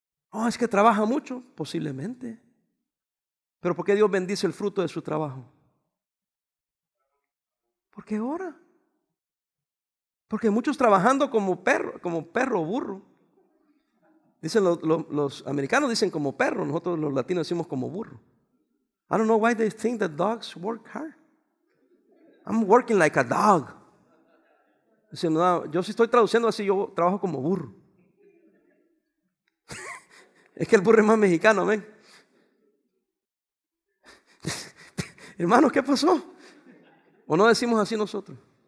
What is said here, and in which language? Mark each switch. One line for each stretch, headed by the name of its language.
Spanish: Oh, es que trabaja mucho, posiblemente. Pero ¿por qué Dios bendice el fruto de su trabajo? Porque ora. Porque muchos trabajando como perro o burro. Dicen los americanos dicen como perro, nosotros los latinos decimos como burro.
English: I don't know why they think that dogs work hard. I'm working like a dog.
Spanish: Dice, no, yo si estoy traduciendo así, yo trabajo como burro. Es que el burro es más mexicano, amén. Hermano, ¿qué pasó? ¿O no decimos así nosotros?